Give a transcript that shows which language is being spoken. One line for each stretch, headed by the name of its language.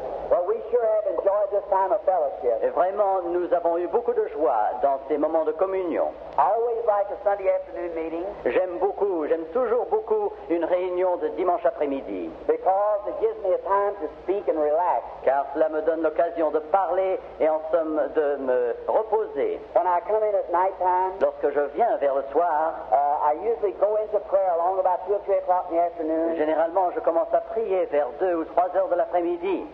English: Well, we sure have enjoyed this time of fellowship.
French: Et vraiment, nous avons eu beaucoup de joie dans ces moments de communion.
English: I always like a Sunday afternoon meeting.
French: J'aime toujours beaucoup une réunion de dimanche après-midi.
English: Because it gives me a time to speak and relax.
French: Car cela me donne l'occasion de parler et en somme de me reposer.
English: When I come in at night time,
French: lorsque je viens vers le soir,
English: I usually go into prayer along about 2 or 3 o'clock in the afternoon.
French: Généralement, je commence à prier vers 2 ou 3 heures de l'après-midi.